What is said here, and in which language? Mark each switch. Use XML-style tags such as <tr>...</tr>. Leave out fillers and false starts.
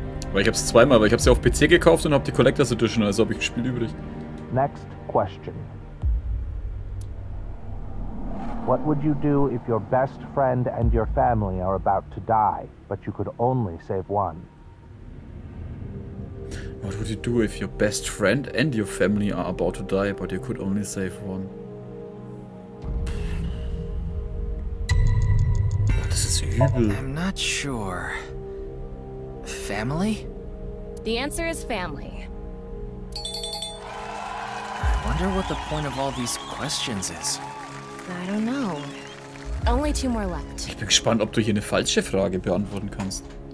<de>Aber ich hab's zweimal, weil ich hab's ja auf PC gekauft und hab die Collector's Edition, also hab ich ein Spiel übrig.</de> <en>Next question. What would you do if your best friend and your family are about to die, but you could only save one? What would you do if your best friend and your family are about to die, but you could only save one?</en> <de>Das ist übel.</de> <en>I'm not sure. Family? The answer is family. I wonder what the point of all these questions is. I don't know. Only two more left.</en> <de>Ich bin gespannt, ob du hier eine falsche Frage beantworten kannst.</de>